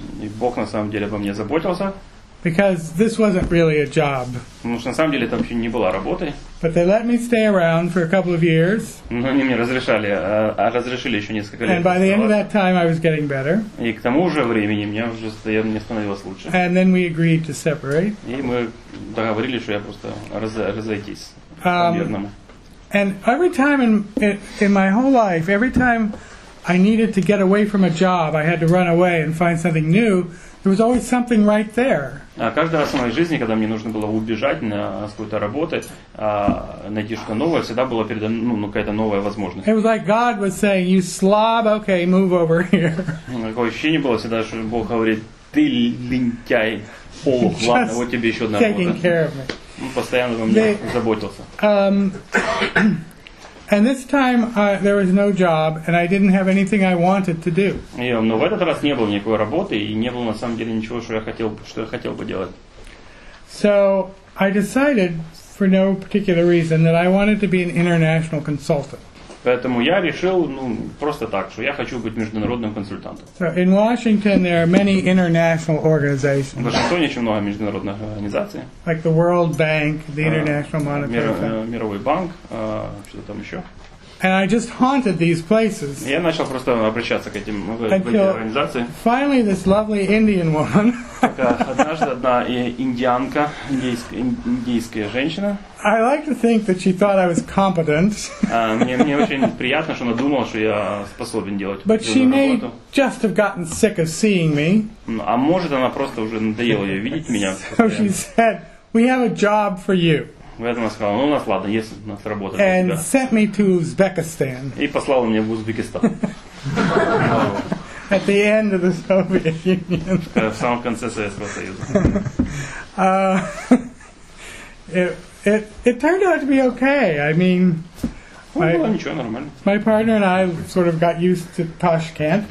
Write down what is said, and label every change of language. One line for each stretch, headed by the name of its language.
Russian: И Бог на самом деле обо мне заботился.
English: Because this wasn't really a job.
Russian: Потому что на самом деле это вообще не была работой.
English: But they let me stay around for a couple of years.
Russian: Но они мне разрешили еще несколько лет.
English: And by the end of that time, I was getting better.
Russian: И к тому же времени мне становилось лучше.
English: And then we agreed to separate.
Russian: И мы договорились, что я просто разойдись.
English: And every time in my whole life, every time I needed to get away from a job, I had to run away and find something new, there was always something right there.
Russian: А каждый раз в моей жизни, когда мне нужно было убежать на какую-то работу, найти что-то новое, всегда была передо мной, ну, какая-то новая возможность.
English: It was like God was saying, you slob, okay, move over here.
Russian: Такое ощущение было всегда, что Бог говорит, ты лентяй, олух, ладно, вот тебе еще одна работа.
English: Taking care of me.
Russian: Ну, постоянно во мне заботился.
English: And this time there was no job, and I didn't have anything I wanted to do.
Russian: Но в этот раз не было никакой работы, и не было на самом деле ничего, что я хотел бы делать.
English: So I decided, for no particular reason, that I wanted to be an international consultant.
Russian: Поэтому я решил, ну, просто так, что я хочу быть международным консультантом.
English: So in Washington there are many international organizations.
Russian: В Вашингтоне очень много международных организаций.
English: Like the World Bank, the International Monetary Fund.
Russian: Мировой банк, что там еще.
English: And I just haunted these places.
Russian: Я начал просто обращаться к этим организациям.
English: Finally this lovely Indian woman.
Russian: Однажды одна индианка, индийская женщина.
English: I like to think that she thought I was competent.
Russian: Мне очень приятно, что она думала, что я способен делать работу.
English: But she may just have gotten sick of seeing me.
Russian: А может, она просто уже надоела ее видеть меня.
English: So she said, "We have a job for you."
Russian: Поэтому она сказала, ну у нас ладно, есть у нас работа.
English: And sent me to Uzbekistan.
Russian: И послала меня в Узбекистан.
English: At the end of the Soviet Union.
Russian: В самом конце Советского Союза.
English: It turned out to be okay. I mean, my partner and I sort of got used to Tashkent.